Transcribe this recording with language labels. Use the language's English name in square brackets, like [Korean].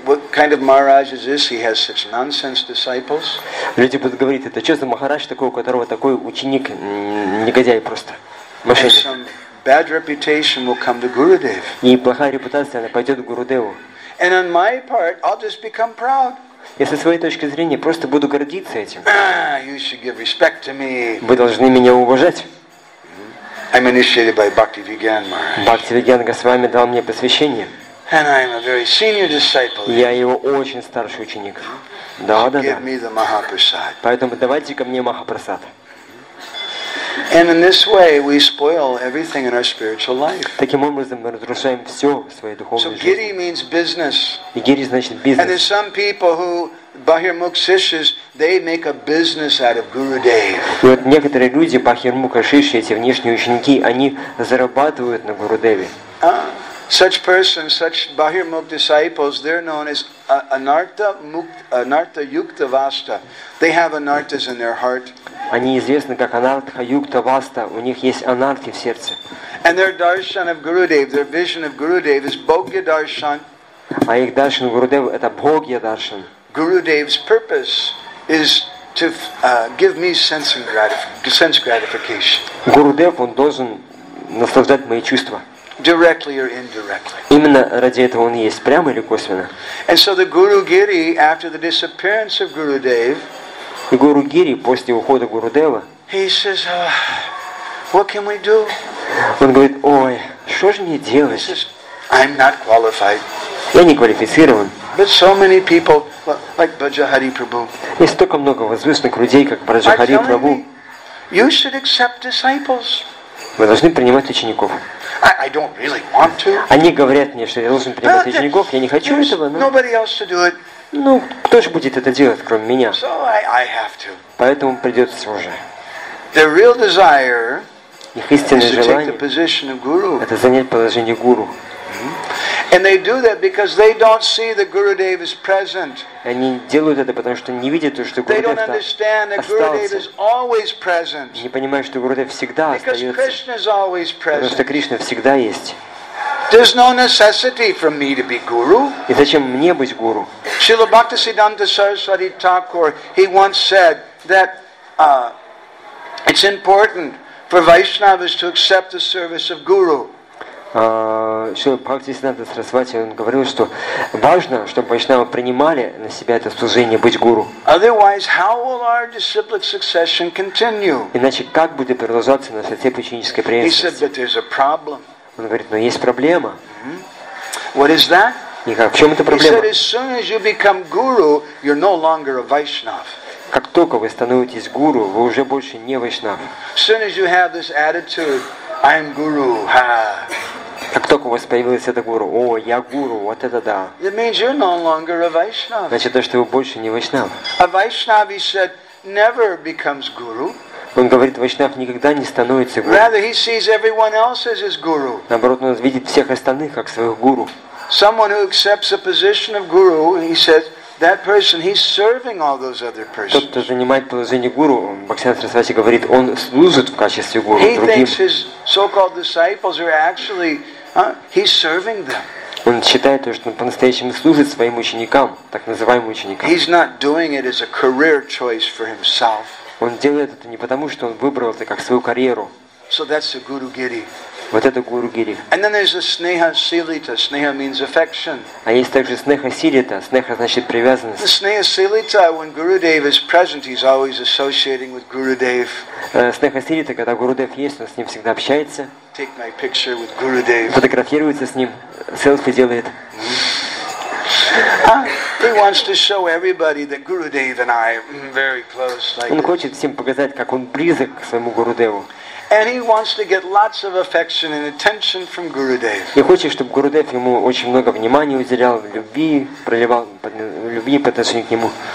[English] What kind of Maharaj is this? He has such nonsense disciples. [Russian] Люди будут говорить, это что за Махарадж такой, у которого такой ученик, негодяй просто. [English] And some bad reputation will come to Gurudev. [Russian] И плохая репутация, она пойдет к Гурудеву. [English] And on my part, I'll just become proud. [Russian] Я со своей точки зрения просто буду гордиться этим. [English] You should give respect to me. [Russian] Вы должны меня уважать. [English] I'm initiated by Bhakti Vigyan Maharaj. [Russian] Бхакти Вигьян Госвами дал мне посвящение. [English] And I'm a very senior disciple. [Russian] Я его очень старший ученик. Да, [English] so [Russian] да, [English] give Me the Mahaprasad. [Russian] Поэтому давайте ко мне Махапрасад. [English] And in this way, we spoil everything in our spiritual life. [Russian] Таким образом, мы разрушаем все в своей духовной жизни. [English] So giri means business. [Russian] И гири значит бизнес. [English] And there's some people who Bahirmukh Shishyas, they make a business out of Gurudev. [Russian] Вот некоторые люди Bahirmukh Shishyas, эти внешние ученики, они зарабатывают на Гурудеве. [English] Such persons, such Bahirmukh disciples, they're known as Anartha Yukta Vasta. They have anarthas in their heart. [Russian] Они известны как Anartha Yukta Vasta. У них есть анарти в сердце. [English] And their darshan of Gurudev, their vision of Gurudev is Bhogya Darshan. [Russian] А их даршан Гурудев это Бхогья даршан. [English] Gurudev's purpose is to give me sense gratification. [Russian] Гурудев он должен наслаждать мои чувства. [English] Directly or indirectly. [Russian] Именно ради этого он есть, прямо или косвенно. [English] And so the Guru Giri, after the disappearance of Gurudev, [Russian] и Гуру Гири после ухода Гурудева, [English] he says, what can we do? [Russian] Он говорит, ой, что же мне делать? [English] He says, I'm not qualified. [Russian] Я не квалифицирован. [English] But so many people, like Brajhari Prabhu. [Russian] И столько много возвышенных людей, как Брахмахари Прабу. [English] You should accept disciples. [Russian] Вы должны принимать учеников. [English] I don't really want to. [Russian] Они говорят мне, что я должен принимать учеников, я не хочу этого. Но... [English] Nobody else to do it. [Russian] Ну, кто же будет это делать, кроме меня? [English] So I have to. [Russian] Поэтому придется уже. [English] The real desire, [Russian] их истинное желание, [English] is to take the position of guru. [Russian] Это занять положение гуру. [English] And they do that because they don't see that Gurudev is present. [Russian] Они делают это потому что не видят то, что Гурудев остался. [English] They don't understand that Gurudev is always present. [Russian] Не понимают, что Гурудев всегда остается. [English] Because Krishna is always present. [Russian] Потому что Кришна всегда есть. [English] There's no necessity for me to be guru. [Russian] И зачем мне быть гуру? [English] Srila Bhaktisiddhanta Saraswati Thakur, he once said that it's important for Vaishnavas to accept the service of guru. [Russian] Что Бхактисиддханта Сарасвати он говорил, что важно, чтобы вайшнавы принимали на себя это служение быть гуру. [English] Otherwise, how will our disciplic succession continue? [Russian] Иначе как будет продолжаться наша цепь ученической преемственности? [English] He said that there's a problem. [Russian] Он говорит, но есть проблема. [English] What is that? [Russian] И как, в чем эта проблема? [English] He said, as soon as you become guru, you're no longer a Vaishnav. [Russian] Как только вы становитесь гуру, вы уже больше не вайшнав. [English] As soon as you have this attitude, I'm guru. [Russian] Как только у вас появилось это гуру, о, я гуру, вот это да. [English] It means you're no longer a Vaishnava. [Russian] Значит, то, что вы больше не вайшнав. [English] A Vaishnava, he said, never becomes guru. [Russian] Он говорит, вайшнав никогда не становится гуру. [English] Rather, he sees everyone else as his guru. [Russian] Наоборот, он видит всех остальных как своих гуру. [English] Someone who accepts the position of guru, he says, that person, he's serving all those other persons. [Russian] Тот, кто занимает положение гуру, Бхактисиддханта Сарасвати говорит, он служит в качестве гуру [English] he [Russian] другим. [English] He thinks his so-called disciples are actually, he's serving them. [Russian] Он считает, что он по-настоящему служит своим ученикам, так называемым ученикам. [English] He's not doing it as a career choice for himself. [Russian] Он делает это не потому, что он выбрал это как свою карьеру. [English] So that's the guru giri. [Russian] Вот это гуру гири. [English] And then there's a sneha silita. Sneha means affection. [Russian] А есть также снеха силита. Снеха значит привязанность. [English] The sneha silita, when Gurudev is present, he's always associating with Gurudev. [Russian] Снеха силита, когда Гурудев есть, он с ним всегда общается. [English] Take my picture with Gurudev. [Russian] Фотографируется с ним, селфи делает. [English] He wants to show everybody that Gurudev and I are very close. Like [Russian] он хочет всем показать, как он близок к своему Гурудеву. [English] And he wants to get lots of affection and attention from Gurudev. [Russian] И хочет, чтобы Гурудев ему очень много внимания уделял, любви проливал, любви по отношению к нему.